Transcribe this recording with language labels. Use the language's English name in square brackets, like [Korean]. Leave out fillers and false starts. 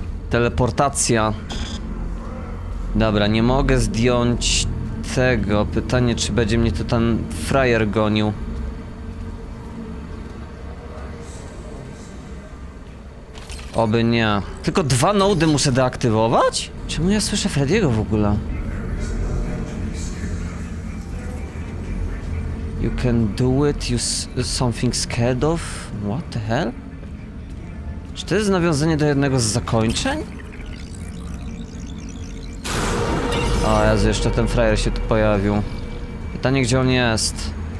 [Polish] Teleportacja. Dobra, nie mogę zdjąć tego. Pytanie, czy będzie mnie to ten frajer gonił. Oby nie. Tylko 2 nody muszę deaktywować? Czemu ja słyszę Freddy'ego w ogóle? [English] You can do it, you something scared of? What the hell? [Polish] Czy to jest nawiązanie do jednego z zakończeń? O Jezu, jeszcze ten frajer się tu pojawił. Pytanie, gdzie on jest?